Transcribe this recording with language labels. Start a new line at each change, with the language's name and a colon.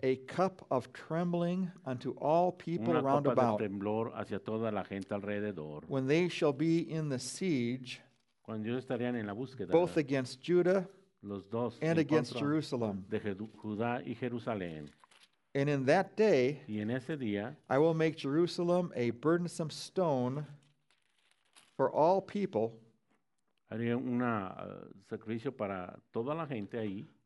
English: a cup of trembling unto all people round about.
Spanish: Una copa de temblor hacia toda la gente alrededor.
English: When they shall be in the siege,
Spanish: cuando ellos estarían en la búsqueda,
English: both against Judah
Spanish: los dos,
English: and against Jerusalem.
Spanish: De Judá y Jerusalén.
English: And in that day,
Spanish: y en ese día,
English: I will make Jerusalem a burdensome stone for all people.
Spanish: Haría un sacrificio para toda la gente ahí.